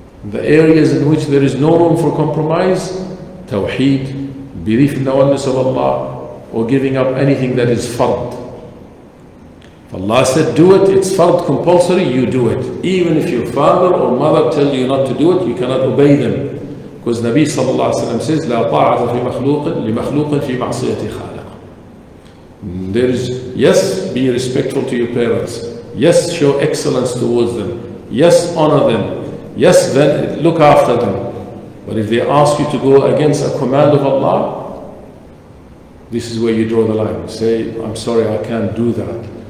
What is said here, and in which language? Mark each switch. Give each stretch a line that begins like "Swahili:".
English: The areas in which there is no room for compromise, tawheed, belief in the oneness of Allah, or giving up anything that is fard. If Allah said do it, it's fard compulsory, you do it. Even if your father or mother tell you not to do it, you cannot obey them. Because Nabi sallallahu alayhi wa sallam says,
Arabic: لَا طَاعَةَ فِي مَخْلُوقٍ لِمَخْلُوقٍ فِي مَعْصِيَةِ خَالِقٍ.
English: There is, yes, be respectful to your parents. Yes, show excellence towards them. Yes, honor them. Yes, then look after them. But if they ask you to go against a command of Allah, this is where you draw the line. Say, I'm sorry, I can't do that.